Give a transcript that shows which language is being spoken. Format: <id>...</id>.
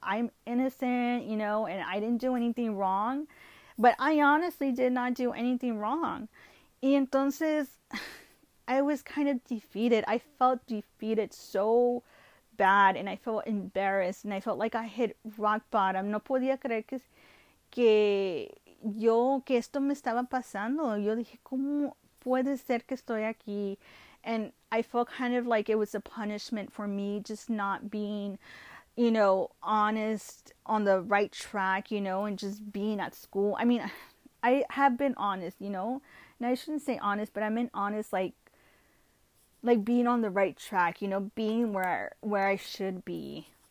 <en>I'm innocent, you know, and I didn't do anything wrong. But I honestly did not do anything wrong.</en> <es>Y entonces,</es> <en>I was kind of defeated. I felt defeated so bad, and I felt embarrassed, and I felt like I hit rock bottom.</en> <es>No podía creer que esto me estaba pasando. Yo dije, ¿cómo puede ser que estoy aquí?</es> <en>And I felt kind of like it was a punishment for me just not being, honest on the right track, and just being at school. I mean, I have been honest, and I shouldn't say honest, but I meant honest, like being on the right track, being where I should be.</en>